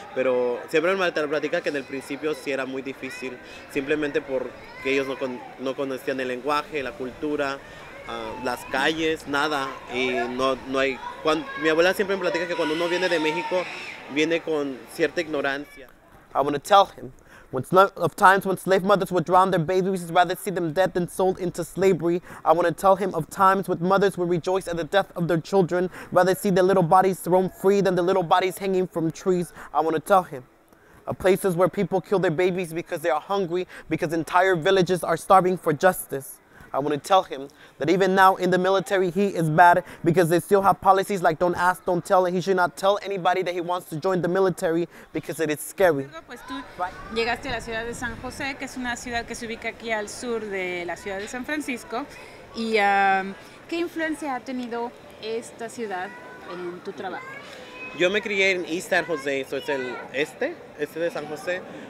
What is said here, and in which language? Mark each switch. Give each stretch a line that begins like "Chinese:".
Spanish: Pero siempre me platica que en el principio sí era muy difícil, simplemente porque ellos no conocían el lenguaje, la cultura, las calles, nada. Y no hay. Mi abuela siempre me platica que cuando uno viene de México, viene con cierta ignorancia.
English: I want to tell him Of times when slave mothers would drown their babies, he'd rather see them dead than sold into slavery. I want to tell him of times when mothers would rejoice at the death of their children, rather see their little bodies thrown free than their little bodies hanging from trees. I want to tell him of places where people kill their babies because they are hungry, because entire villages are starving for justice. I want to tell him that even now in the military, he is bad because they still have policies like don't ask, don't tell, and he should not tell anybody that he wants to join the military because it is scary.
Spanish: Pues tú llegaste a la ciudad de San José, que es una ciudad que se ubica aquí al sur de la ciudad de San Francisco. Y ¿qué influencia ha tenido esta ciudad en tu trabajo? Yo me crié en East San José, eso es el este de San José.